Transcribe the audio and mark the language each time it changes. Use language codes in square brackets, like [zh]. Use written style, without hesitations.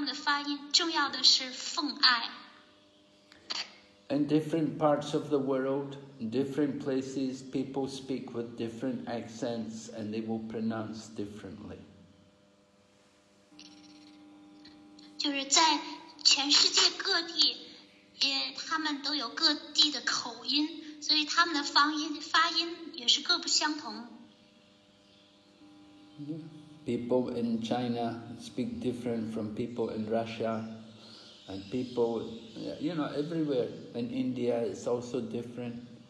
[zh] 发音，他们的发音，重要的不是他们的发音，重要的是奉爱。 [en] In different parts of the world, in different places, people speak with different accents and they will pronounce differently. [zh] 就是在 全世界各地，他们都有各地的口音，所以他们的发音也是各不相同。People [en] in China speak different from people in Russia, and people, you know, everywhere in India it's also different.